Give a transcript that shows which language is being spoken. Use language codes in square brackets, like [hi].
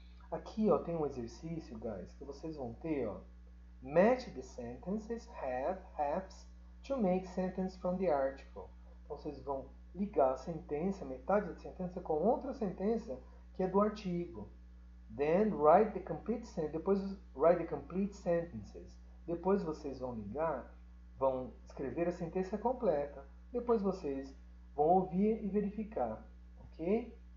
[pt] Aqui, ó, tem um exercício, guys, que vocês vão ter, ó. [en] Match the sentences have's to make sentence from the article. [pt] Então, vocês vão ligar a sentença, metade da sentença, com outra sentença que é do artigo. [en] Then, write the complete sentence. Depois, write the complete sentences. [pt] Depois, vocês vão ligar, vão escrever a sentença completa. Depois, vocês vão ouvir e verificar. Ok?